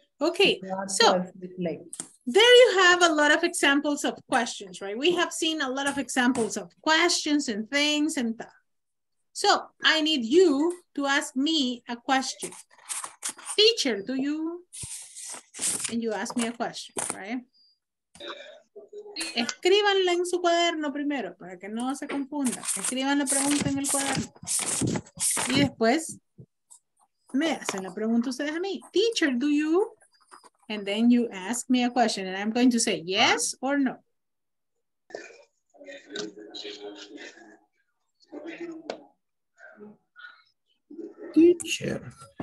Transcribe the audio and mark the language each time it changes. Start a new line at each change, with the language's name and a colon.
English: Okay, so there you have a lot of examples of questions, right? We have seen a lot of examples of questions and things and that. So I need you to ask me a question. Teacher, do you? And you ask me a question, right?
Spanish: Escríbanla en su cuaderno primero para que no se confunda. Escriban la pregunta en el cuaderno. Y después me hacen la pregunta ustedes a mí.
English: Teacher, do you? And then you ask me a question and I'm going to say yes or no. Teacher.